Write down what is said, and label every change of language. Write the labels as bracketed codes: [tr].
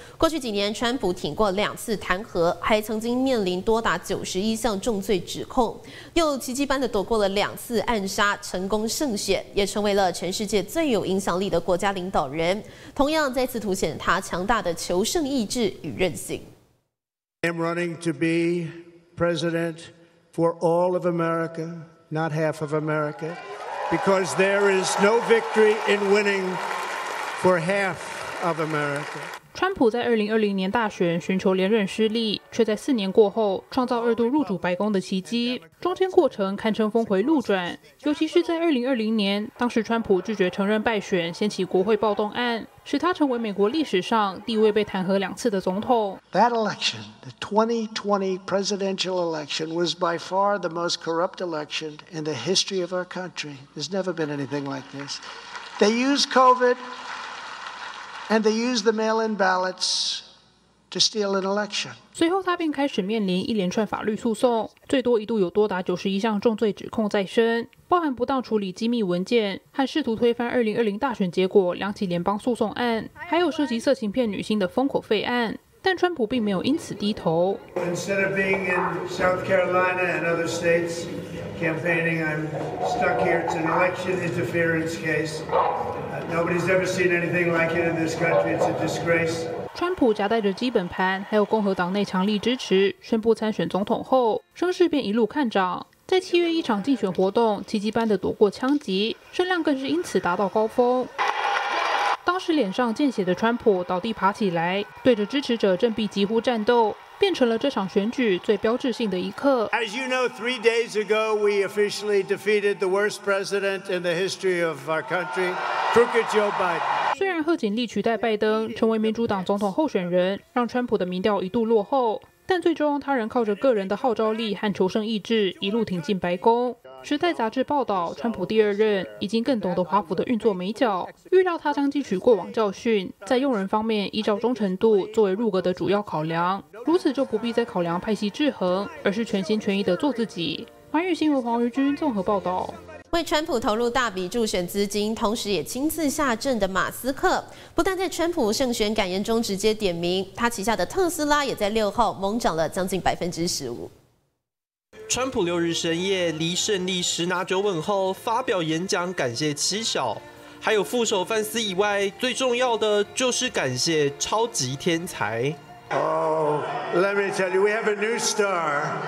[zh] 过去几年，川普挺过2次弹劾，还曾经面临多达91项重罪指控，又奇迹般的躲过了2次暗杀，成功胜选，也成为了全世界最有影响力的国家领导人。同样再次凸显他强大的求胜意志与韧性。 [en] I'm running to be president for all of America. Not half of America, because there is no victory in winning for half of America. [zh] 川普在2020年大选寻求连任失利，却在4年过后创造2度入主白宫的奇迹。中间过程堪称峰回路转，尤其是在2020年，当时川普拒绝承认败选，掀起国会暴动案，使他成为美国历史上第一位被弹劾2次的总统。 [en] That election, the 2020 presidential election, was by far the most corrupt election in the history of our country. There's never been anything like this. They use COVID and they use the mail-in ballots. To steal an election. [zh] 随后他便开始面临一连串法律诉讼，最多一度有多达91项重罪指控在身，包含不当处理机密文件和试图推翻2020大选结果2起联邦诉讼案，还有涉及色情片女星的封口费案。但川普并没有因此低头。 [en] Instead of being in South Carolina and other states campaigning, I'm stuck here. It's an election interference case. Nobody's ever seen anything like it in this country. It's a disgrace. [zh] 川普夹带着基本盘还有共和党内强力支持宣布参选总统后，声势便一路看涨，在7月一场竞选活动奇迹般的躲过枪击，声量更是因此达到高峰。当时脸上见血的川普倒地爬起来，对着支持者振臂疾呼战斗，变成了这场选举最标志性的一刻。 [en] As you know, 3 days ago we officially defeated the worst president in the history of our country, Crooked Joe Biden. [zh] 虽然贺锦丽取代拜登成为民主党总统候选人，让川普的民调一度落后，但最终他仍靠着个人的号召力和求胜意志一路挺进白宫。时代杂志报道，川普第二任已经更懂得华府的运作美角，预料他将汲取过往教训，在用人方面依照忠诚度作为入阁的主要考量，如此就不必再考量派系制衡，而是全心全意的做自己。环宇新闻黄瑜君综合报道。为川普投入大笔助选资金，同时也亲自下阵的马斯克，不但在川普胜选感言中直接点名，他旗下的特斯拉也在6号猛涨了将近15%。川普6日深夜离胜利十拿九稳后，发表演讲感谢妻小，还有副手范斯以外，最重要的就是感谢超级天才。 [en] Oh, let me tell you, we have a new star.